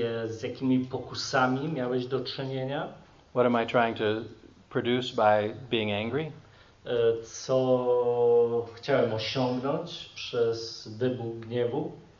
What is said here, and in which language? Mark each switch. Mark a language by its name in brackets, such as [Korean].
[Polish] Z jakimi pokusami miałeś do czynienia? [English] What am I trying to produce by being angry? [Polish] Co chciałem osiągnąć przez wybuch gniewu?